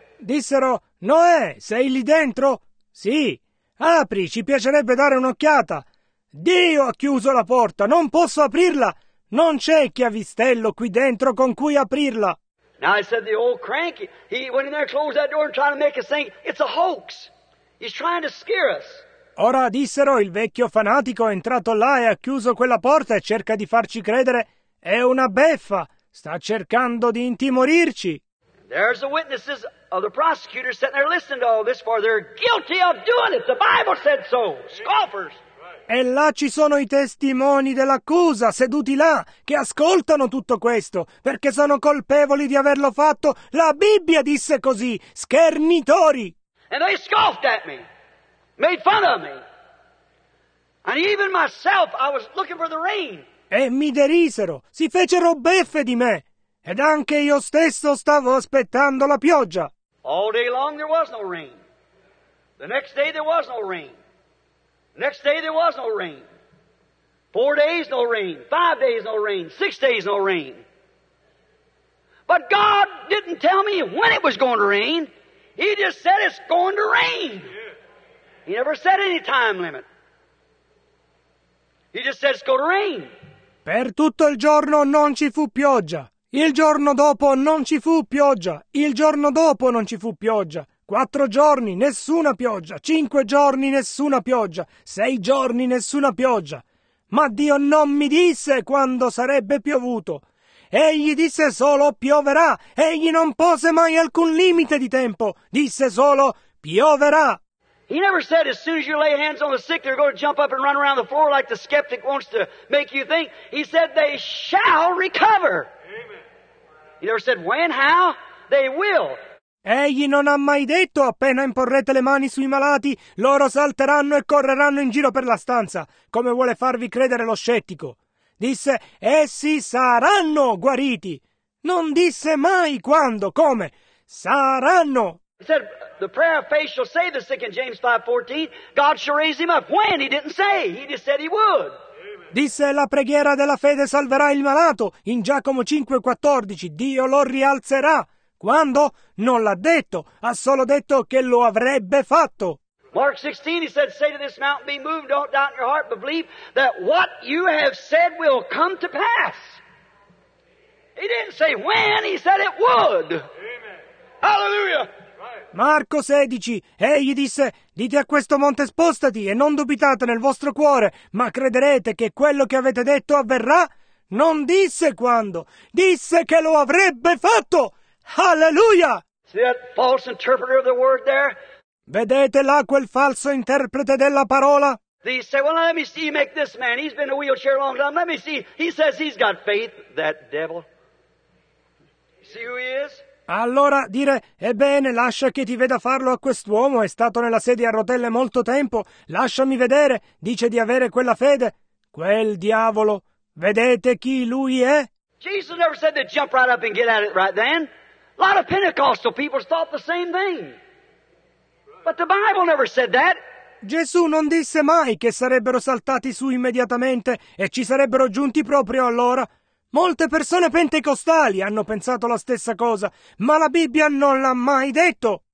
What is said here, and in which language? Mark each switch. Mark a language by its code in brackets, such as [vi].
[it] Dissero, Noè, sei lì dentro? Sì. Apri, ci piacerebbe dare un'occhiata. Dio ha chiuso la porta, non posso aprirla. Non c'è chiavistello qui dentro con cui aprirla. [en] Now I said the old cranky, he went in there, closed that door and tried to make us think it's a hoax. He's trying to scare us. [it] Ora dissero il vecchio fanatico è entrato là e ha chiuso quella porta e cerca di farci credere è una beffa, sta cercando di intimorirci. [en] There's the witnesses of the prosecutors sitting there listening to all this, for they're guilty of doing it. The Bible said so. Scoffers. [it] E là ci sono i testimoni dell'accusa, seduti là, che ascoltano tutto questo, perché sono colpevoli di averlo fatto. La Bibbia disse così. Schernitori. [en] And they scoffed at me. Made fun of me. And even myself, I was looking for the rain. [it] E mi derisero. Si fecero beffe di me. Ed anche io stesso stavo aspettando la pioggia. [en] All day long there was no rain. The next day there was no rain. Next day there was no rain. 4 days no rain. 5 days no rain. 6 days no rain. But God didn't tell me when it was going to rain. He just said it's going to rain. He never said any time limit. He just said it's going to rain. [it] Per tutto il giorno non ci fu pioggia. Il giorno dopo non ci fu pioggia. Il giorno dopo non ci fu pioggia. 4 giorni, nessuna pioggia. 5 giorni, nessuna pioggia. 6 giorni, nessuna pioggia. Ma Dio non mi disse quando sarebbe piovuto. Egli disse solo, pioverà. Egli non pose mai alcun limite di tempo. Disse solo, pioverà. [en] He never said, as soon as you lay hands on the sick, they're going to jump up and run around the floor like the skeptic wants to make you think. He said, they shall recover. He never said when, how, they will. [it] Egli non ha mai detto appena imporrete le mani sui malati, loro salteranno e correranno in giro per la stanza, come vuole farvi credere lo scettico. Disse, essi saranno guariti. Non disse mai quando, come, saranno. [en] He said, the prayer of faith shall save the sick in James 5:14. God shall raise him up. When? He didn't say. He just said he would. [it] Disse, la preghiera della fede salverà il malato, in Giacomo 5,14, Dio lo rialzerà. Quando? Non l'ha detto, ha solo detto che lo avrebbe fatto. [en] Mark 16, he said, say to this mountain, be moved, don't doubt in your heart, but believe that what you have said will come to pass. He didn't say when, he said it would. Amen. Hallelujah. [it] Marco 16, egli disse, dite a questo monte spostati e non dubitate nel vostro cuore, ma crederete che quello che avete detto avverrà? Non disse quando, disse che lo avrebbe fatto! Hallelujah! [en] See that false interpreter of the word there? [it] Vedete là quel falso interprete della parola? [en] He said, well, let me see, you make this man, he's been in a wheelchair a long time, let me see, he says he's got faith, that devil. See who he is? [it] Allora, dire, ebbene, lascia che ti veda farlo a quest'uomo, è stato nella sedia a rotelle molto tempo, lasciami vedere, dice di avere quella fede. Quel diavolo, vedete chi lui è? [en] Jesus never said to jump right up and get at it right then. A lot of Pentecostal people thought the same thing. But the Bible never said that. [it] Gesù non disse mai che sarebbero saltati su immediatamente e ci sarebbero giunti proprio allora. Molte persone pentecostali hanno pensato la stessa cosa, ma la Bibbia non l'ha mai detto.